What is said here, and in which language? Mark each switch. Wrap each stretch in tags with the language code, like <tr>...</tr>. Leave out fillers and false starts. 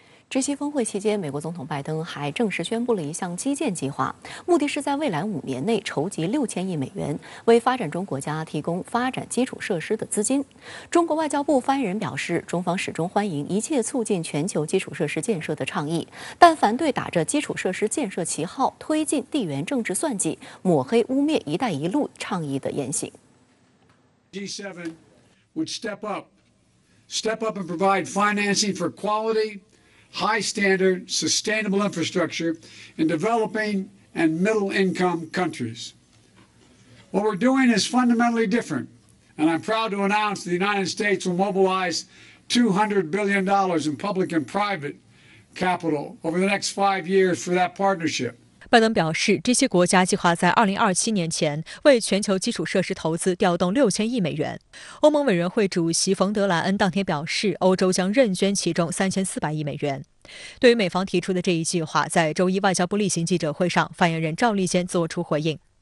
<zh>G7 峰会期间，美国总统拜登还正式宣布了一项基建计划，目的是在未来5年内筹集6000亿美元，为发展中国家提供发展基础设施的资金。中国外交部发言人表示，中方始终欢迎一切促进全球基础设施建设的倡议，但反对打着基础设施建设旗号推进地缘政治算计、抹黑污蔑“一带一路”倡议的言行。</zh> <en>G7 would step up and provide financing for quality. High standard sustainable infrastructure in developing and middle income countries. What we're doing is fundamentally different, and I'm proud to announce the United States will mobilize $200 billion in public and private capital over the next 5 years for that partnership.</en> <zh>拜登表示，这些国家计划在2027年前为全球基础设施投资调动6000亿美元。欧盟委员会主席冯德莱恩当天表示，欧洲将认捐其中3400亿美元。对于美方提出的这一计划，在周一外交部例行记者会上，发言人赵立坚作出回应。</zh>